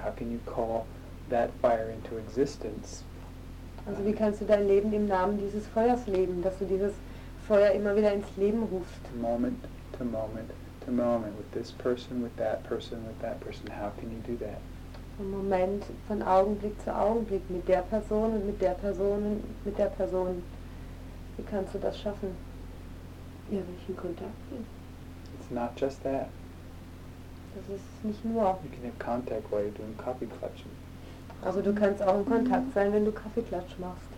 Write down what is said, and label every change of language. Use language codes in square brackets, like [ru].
[en] How can you call that fire into existence? [de] Also wie kannst du dein Leben im Namen dieses Feuers leben, dass du dieses Feuer immer wieder ins Leben rufst? [en] Moment to moment to moment, with this person, with that person, with that person. How can you do that? [de] Im Moment, von Augenblick zu Augenblick, mit der Person und mit der Person und mit der Person. Wie kannst du das schaffen? Ja, welchen Kontakt? [en] It's not just that. [de] Das ist nicht nur. [en] You can have contact while you're doing coffee clutching. [de] Also du kannst auch in Kontakt sein, wenn du Kaffeeklatsch machst.